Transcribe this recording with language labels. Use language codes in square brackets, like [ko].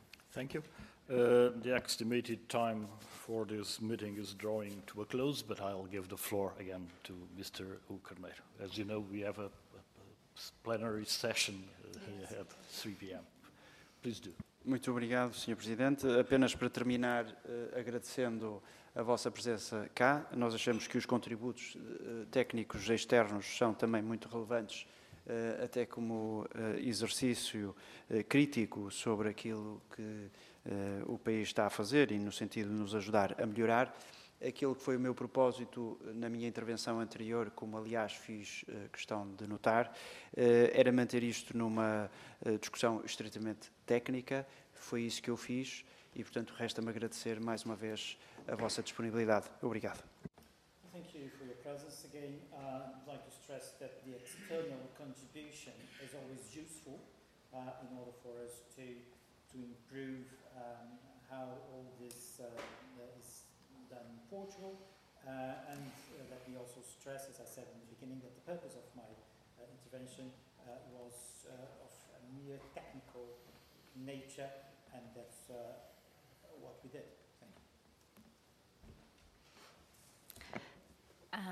[en] Thank you. The estimated time for this meeting is drawing to a close, but I'll give the floor again to Mr. Ukermeyer. As you know, we have plenary session at 3 p.m. Please do. [pt] Muito obrigado, Sr. Presidente. Apenas para terminar, agradecendo a vossa presença cá, nós achamos que os contributos técnicos externos são também muito relevantes, até como exercício crítico sobre aquilo que o país está a fazer e no sentido de nos ajudar a melhorar. Aquilo que foi o meu propósito na minha intervenção anterior, como aliás fiz questão de notar, era manter isto numa discussão estritamente técnica. Foi isso que eu fiz e, portanto, resta-me agradecer mais uma vez a vossa disponibilidade. Obrigado. [en] Thank you for your presence again. I'd like to stress that the external contribution is always useful in order for us to improve how all this is done in Portugal. And let me also stress, as I said in the beginning, that the purpose of my intervention was of a mere technical nature, and that's what we did. Thank you.